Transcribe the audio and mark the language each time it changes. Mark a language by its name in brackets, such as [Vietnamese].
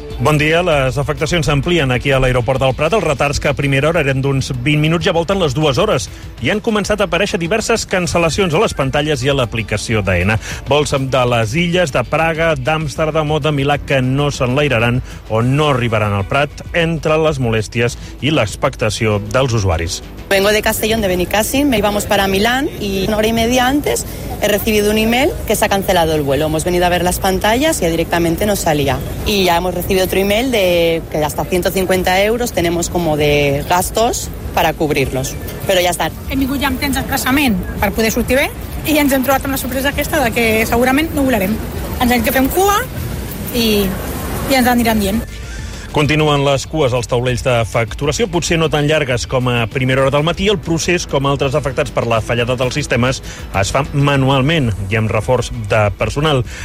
[Catalan] Bon dia. Les afectacions s'amplien aquí a l'aeroport del Prat. Els retards, que a primera hora eren d'uns 20 minuts, ja volten les dues hores. I han començat a aparèixer diverses cancel·lacions a les pantalles i a l'aplicació d'Aena. Vols de les illes, de Praga, d'Amsterdam o de Milà, que no s'enlairaran o no arribaran al Prat, entre les molèsties i l'expectació dels usuaris. [Spanish] Vengo de Castellón, de Benicàssim, me íbamos para Milán y una hora y media antes he recibido un email que se ha cancelado el vuelo. Hemos venido a ver las pantallas y directamente no salía. Y ya hemos recibido otro email de que hasta 150 euros tenemos como de gastos para cubrirlos. Pero ya está. [Catalan] Hem vingut ja amb temps d'atrasament per poder sortir bé i ens hem trobat amb la sorpresa aquesta de que segurament no volarem. Ens hem de fer cua i ens aniran dient. Continuen les cues als taulells de facturació, potser no tan llargues com a primera hora del matí. El procés, com altres afectats per la fallada dels sistemes, es fa manualment i amb reforç de personal.